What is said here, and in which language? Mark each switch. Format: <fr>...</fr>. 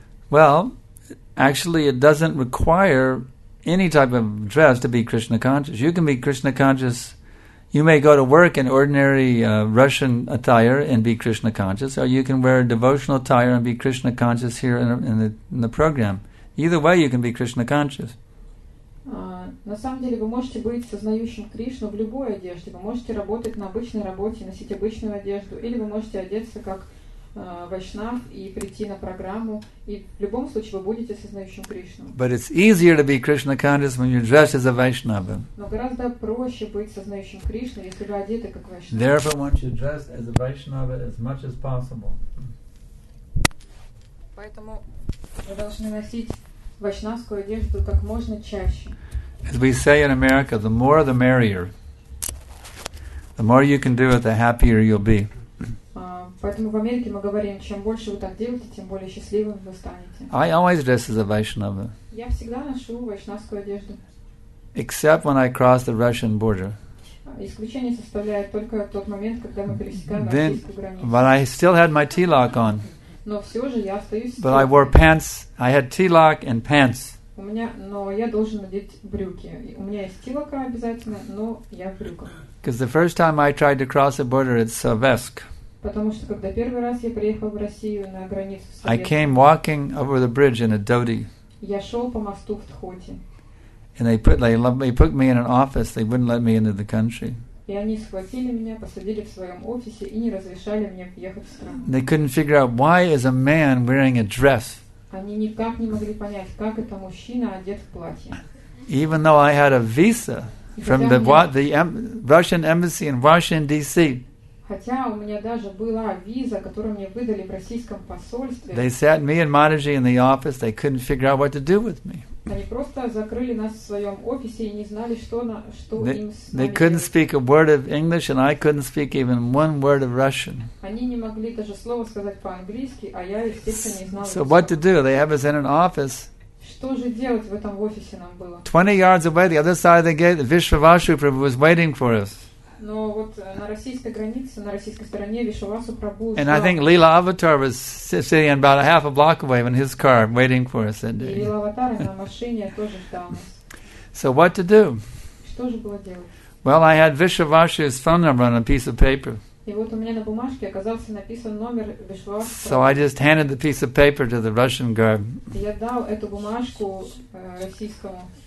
<en>Well, actually, it doesn't require any type of dress to be Krishna conscious. You can be Krishna conscious. You may go to work in ordinary Russian attire and be Krishna conscious, or you can wear devotional attire and be Krishna conscious here in the program. Either way, you can be Krishna conscious.</en> <ru>На самом деле, вы можете быть сознающим Кришну в любой одежде. Вы можете работать на обычной работе, носить обычную одежду, или вы можете одеться как вайшнав и прийти на программу, и в любом случае вы будете сознающим Кришну.</ru> <en>But it's easier to be Krishna conscious when you're dressed as a Vaishnava.</en> <ru>Но гораздо проще быть сознающим Кришну, если вы одеты как вайшнав.</ru> <en>Therefore, one should dress as a Vaishnava as much as possible.</en> <ru>Поэтому вы должны носить вайшнавскую одежду как можно чаще.</ru> <en>As we say in America, the more the merrier. The more you can do it, the happier you'll be.</en> <ru>Поэтому в Америке мы говорим, чем больше вы так делаете, тем более счастливым вы станете.</ru> <en>I always dress as a Vaishnava.</en> <ru>Я всегда ношу вайшнавскую одежду.</ru> <en>Except when I cross the Russian border.</en> <ru>Исключение составляет только тот момент, когда мы пересекаем российскую границу.</ru> <en>But I still had my tilak on.</en> <ru>Но все же я остаюсь.</ru> <en>But I wore pants. I had tilak and pants.</en> <ru>У меня, но я должен надеть брюки. У меня есть тилака обязательно, но я в брюках.</ru> <en>Because the first time I tried to cross the border, it's Sovetsk.</en> <ru>Потому что когда первый раз я приехал в Россию на границу.</ru> <en>I came walking over the bridge in a dhoti.</en> <ru>Я шел по мосту в дхоти.</ru> <en>And they put me in an office. They wouldn't let me into the country.</en> <ru>И они схватили меня, посадили в своем офисе и не разрешали мне въехать в страну.</ru> <en>They couldn't figure out why is a man wearing a dress.</en> <ru>Они никак не могли понять, как это мужчина одет в платье.</ru> <en>Even though I had a visa from the Russian embassy in Washington D.C.</en> <ru>Хотя у меня даже была виза, которую мне выдали в российском посольстве.</ru> <en>They sat me and Mataji in the office. They couldn't figure out what to do with me.</en> <ru>Они просто закрыли нас в своем офисе и не знали, что им с нами.</ru> <en>They couldn't speak a word of English, and I couldn't speak even one word of Russian.</en> <ru>Они не могли даже слова сказать по-английски, а я, естественно, не знала.</ru> <en>So what to do? They have us in an office.</en> <ru>Что же делать в этом офисе нам было?</ru> <en>20 yards away, the other side of the gate, Vishvavasu Prabhu was waiting for us.</en> <ru>Но вот на российской границе, на российской стороне Вишвавасу Прабху.</ru> <en>And I think Lila Avatar was sitting about a half a block away in his car waiting for us that day.</en> <ru>И Лила Аватар на машине тоже ждал нас.</ru> <en>So what to do?</en> <ru>Что же было делать?</ru> <en>Well, I had Vishvavasu's phone number on a piece of paper.</en> <ru>И вот у меня на бумажке оказался написан номер Вишвавасу.</ru> <en>So I just handed the piece of paper to the Russian guard.</en> <ru>Я дал эту бумажку российскому.</ru>